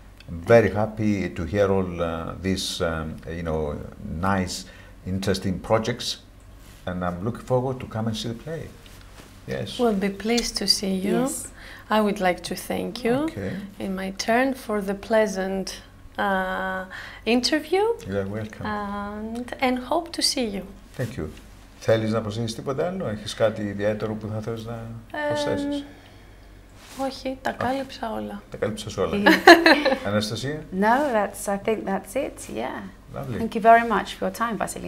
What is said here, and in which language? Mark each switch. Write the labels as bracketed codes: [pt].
[en] I'm very happy to hear all these, you know, nice, interesting projects, and I'm looking forward to come and see the play. Yes. We'll be pleased to see you. Yes. I would like to thank you, okay, in my turn, for the pleasant interview. You are welcome. And hope to see you. Thank you. [el] Θέλεις να προσθέσεις τίποτα άλλο, έχεις κάτι ιδιαίτερο που θα θες να προσθέσεις? Όχι, τα κάλυψα όλα. Τα κάλυψα όλα. Αναστασία. [en] No, that's, I think that's it, yeah. Lovely. Thank you very much for your time, Vasily.